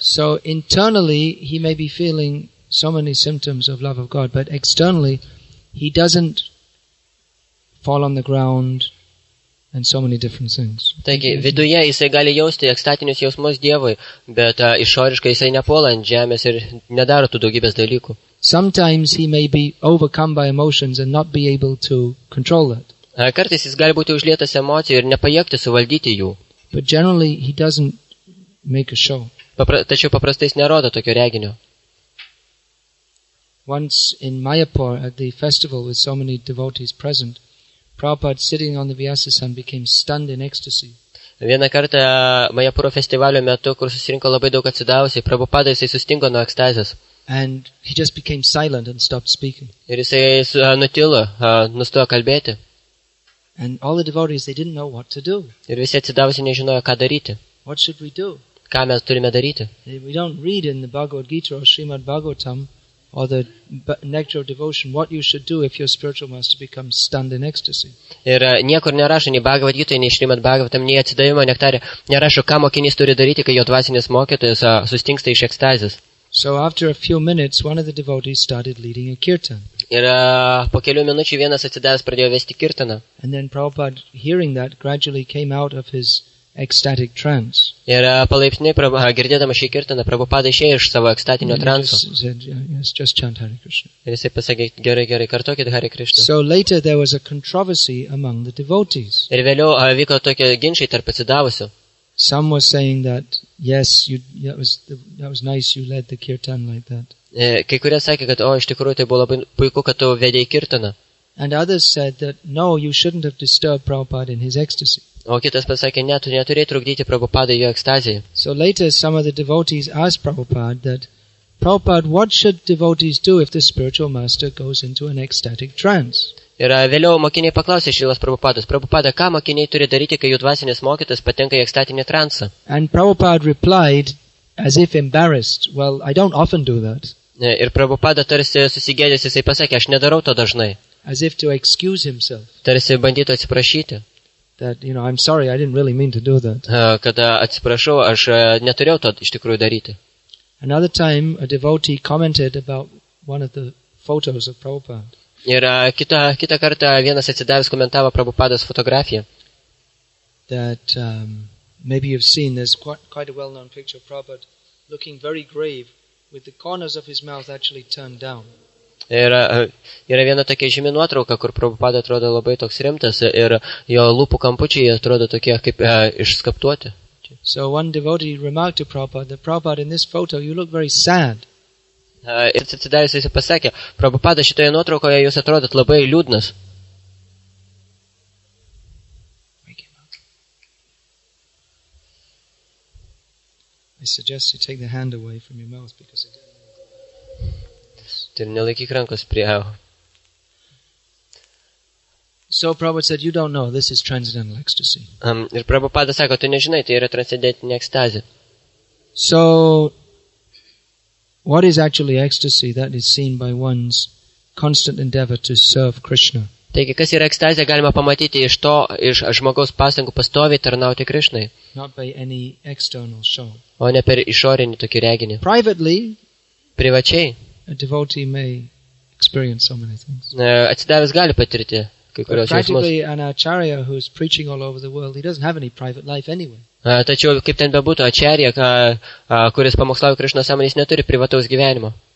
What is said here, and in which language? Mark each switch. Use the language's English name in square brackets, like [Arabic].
[English] So internally he may be feeling so many symptoms of love of God, but externally he doesn't fall on the ground and so many different things. [Lithuanian] Taigi, viduje jisai gali jausti ekstatinius jausmus Dievui, bet išoriškai jisai nepuola ant žemės ir nedaro tų daugybės dalykų. [English] Sometimes he may be overcome by emotions and not be able to control it. [Lithuanian] Kartais jis gali būti užlietas emocijų ir nepajėgti suvaldyti jų. [English] But generally he doesn't make a show. [Lithuanian] Tačiau paprastai jis nerodo tokio reginio. [English] Once in Mayapur at the festival with so many devotees present, Prabhupada sitting on the Vyasasan became stunned in ecstasy. [Lithuanian] Vieną kartą Mayapuro festivalio metu, kur susirinko labai daug atsidavusių, Prabhupada jisai sustingo nuo ekstazės. [English] And he just became silent and stopped speaking. [Lithuanian] Ir jisai nutilo, nustojo kalbėti. [English] And all the devotees, they didn't know what to do. [Lithuanian] Ir visi atsidavusi nežinojo, ką daryti. [English] What should we do? [Lithuanian] Ką mes turime daryti? [English] We don't read in the Bhagavad Gita or Srimad Bhagavatam or the Nectar of Devotion what you should do if your spiritual master becomes stunned in ecstasy. [Lithuanian] Ir niekur nerašo, nei Bhagavad Gita, nei Srimad Bhagavatam, nei atsidavimo nektare, nerašo, ką mokinys turi daryti, kai jo dvasinis mokytojas sustingsta iš ekstazės. [English] So after a few minutes, one of the devotees started leading a kirtan. [Lithuanian] Ir po kelių minučių vienas atsidavęs pradėjo vesti kirtaną. [English] And then Prabhupada, hearing that, gradually came out of his ecstatic trance. [Lithuanian] Ir palaipsniui, girdėdamas šį kirtaną, Prabhupada išėjo iš savo ekstatinio transo. [English] Yes, just chant Hare Krishna. [Lithuanian] Ir jisai pasakė, gerai, gerai, kartokit Hare Krishna. [English] So later there was a controversy among the devotees. [Lithuanian] Ir vėliau vyko tokie ginčiai tarp atsidavusių. [English] Some were saying that, yes, that was nice you led the kirtan like that. [Lithuanian] Kai kurie sakė, kad, o, iš tikrųjų, tai buvo labai puiku, kad tu vedėjai kirtaną. [English] And others said that, no, you shouldn't have disturbed Prabhupada in his ecstasy. [Lithuanian] O kitas pasakė, ne, tu neturėjai trukdyti Prabhupada jo ekstazijai. [English] So later some of the devotees asked Prabhupada that, Prabhupada, what should devotees do if the spiritual master goes into an ecstatic trance? [Lithuanian] Ir vėliau mokiniai paklausė Šrilos Prabhupados, Prabhupada, ką mokiniai turi daryti, kai jų dvasinis mokytas patenka į ekstatinį transą? [English] And Prabhupada replied, as if embarrassed, well, I don't often do that. [Lithuanian] Ir Prabhupada tarsi susigėdęs, jisai pasakė, aš nedarau to dažnai. [English] As if to excuse himself. [Lithuanian] Tarsi bandytų atsiprašyti. [English] That, you know, I'm sorry, I didn't really mean to do that. [Lithuanian] Kad atsiprašau, aš neturėjau to iš tikrųjų daryti. [English] Another time, a devotee commented about one of the photos of Prabhupada. [Lithuanian] Ir kitą kartą vienas atsidavęs komentavo Prabhupados fotografiją. [English] That, maybe you've seen, there's quite a well-known picture of Prabhupada looking very grave with the corners of his mouth actually turned down. [Lithuanian] Yra viena tokia žymi nuotrauka, kur Prabhupada atrodo labai toks rimtas ir jo lūpų kampučiai atrodo tokie kaip išskaptuoti. [English] So one devotee remarked to Prabhupada that Prabhupada in this photo you look very sad. [Lithuanian] Ir atsidavęs jis pasakė, Prabhupada šitoje nuotraukoje jūs atrodot labai liūdnas. [English] I suggest you take the hand away from your mouth because it didn't. [Lithuanian] Tai nelaikyk rankos prie jo. [English] So Prabhupada said you don't know this is transcendental ecstasy. [Lithuanian] Ir Prabhupada sako, tu nežinai, tai yra transcendentinė ekstazė. [English] So what is actually ecstasy that is seen by one's constant endeavor to serve Krishna? [Lithuanian] Taigi, kas yra ekstazė, galima pamatyti iš to, iš žmogaus pastangų pastoviai tarnauti Krišnai. [English] Not by any external show. [Lithuanian] O ne per išorinį tokį reginį. [English] Privately, [Lithuanian] privačiai, [English] a devotee may experience so many things. [Lithuanian] Atsidavęs gali patirti kai kurios jausmus. [English] But practically, an acharya who is preaching all over the world, he doesn't have any private life anyway. [Lithuanian] Tačiau, kaip ten bebūtų, acharya, kuris pamokslavo Krišnos sąmonės, neturi privataus gyvenimo.